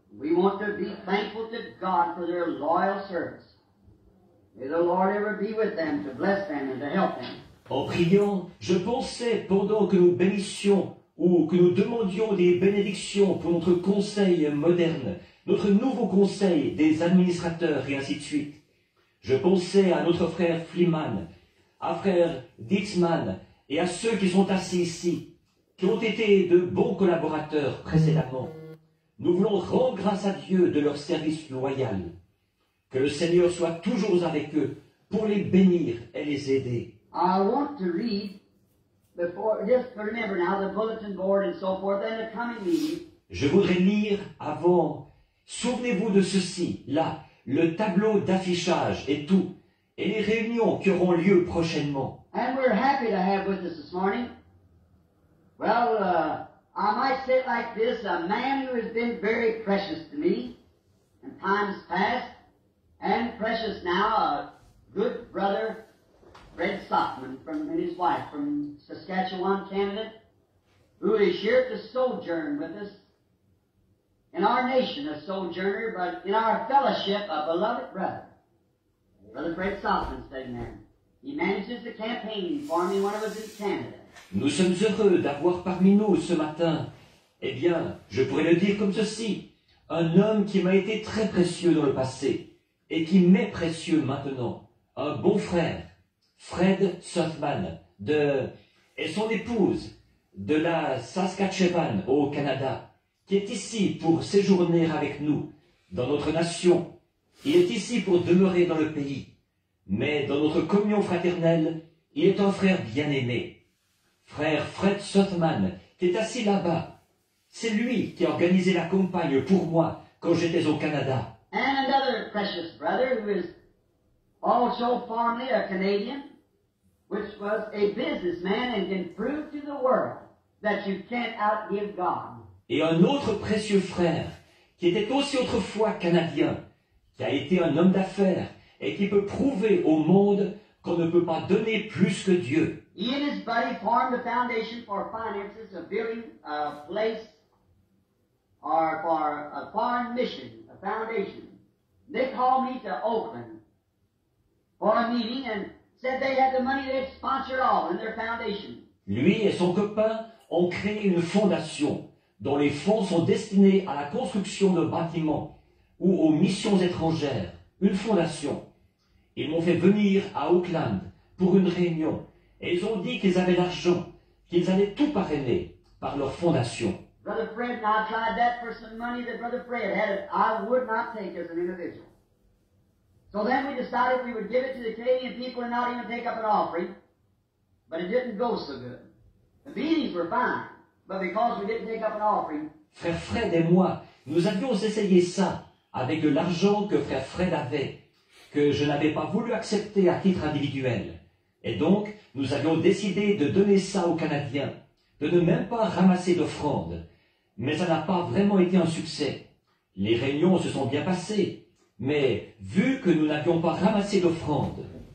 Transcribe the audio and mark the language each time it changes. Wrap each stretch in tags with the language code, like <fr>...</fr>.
<en>We want to be thankful to God for their loyal service. May the Lord ever be with them to bless them and to help them.</en> <fr>En priant, je pensais, pendant que nous bénissions ou que nous demandions des bénédictions pour notre conseil moderne, notre nouveau conseil des administrateurs et ainsi de suite, je pensais à notre frère Fleeman, à frère Dietzman et à ceux qui sont assis ici, qui ont été de bons collaborateurs précédemment. Nous voulons rendre grâce à Dieu de leur service loyal. Que le Seigneur soit toujours avec eux pour les bénir et les aider.</fr> <en>I want to read before, just remember now, the bulletin board and so forth, and the coming meeting.</en> <fr>Je voudrais lire avant, souvenez-vous de ceci, là, le tableau d'affichage et tout, et les réunions qui auront lieu prochainement.</fr> <en>And we're happy to have with us this morning. Well, I might say it like this, a man who has been very precious to me in times past, And precious now, a good brother, Fred Stockman, and his wife from Saskatchewan, Canada, who is here to sojourn with us. In our nation, a sojourner, but in our fellowship, a beloved brother. Brother Fred Stockman, sitting there. He manages the campaign for me when I was in Canada.</en> <fr>Nous sommes heureux d'avoir parmi nous ce matin, eh bien, je pourrais le dire comme ceci, un homme qui m'a été très précieux dans le passé et qui m'est précieux maintenant, un bon frère, Fred Softman, et son épouse de la Saskatchewan au Canada, qui est ici pour séjourner avec nous dans notre nation. Il est ici pour demeurer dans le pays, mais dans notre communion fraternelle, il est un frère bien-aimé. Frère Fred Softman, qui est assis là-bas, c'est lui qui a organisé la campagne pour moi quand j'étais au Canada.</fr> <en>And another precious brother who is also formerly a Canadian, which was a businessman and can prove to the world that you can't outgive God.</en> <fr>Et un autre précieux frère qui était aussi autrefois canadien, qui a été un homme d'affaires et qui peut prouver au monde qu'on ne peut pas donner plus que Dieu.</fr> <en>He and his buddy formed a foundation for finances of building a place or for a foreign mission, a foundation. They called me to Oakland for a meeting and said they had the money they'd sponsor all in their foundation.</en> <fr>Lui et son copain ont créé une fondation dont les fonds sont destinés à la construction de bâtiments ou aux missions étrangères. Une fondation. Ils m'ont fait venir à Oakland pour une réunion. Et ils ont dit qu'ils avaient l'argent, qu'ils allaient tout parrainer par leur fondation.</fr> <en>Brother Fred, I tried that for some money that Brother Fred had. I would not take as an individual. So then we decided we would give it to the Canadian people and not even take up an offering. But it didn't go so good. The meetings were fine, but because we didn't take up an offering.</en> <fr>Frère Fred et moi, nous avions essayé ça avec de l'argent que Frère Fred avait, que je n'avais pas voulu accepter à titre individuel. Et donc, nous avions décidé de donner ça aux Canadiens, de ne même pas ramasser d'offrande. Mais ça n'a pas vraiment été un succès. Les réunions se sont bien passées, mais vu que nous n'avions pas ramassé d'offrande,</fr>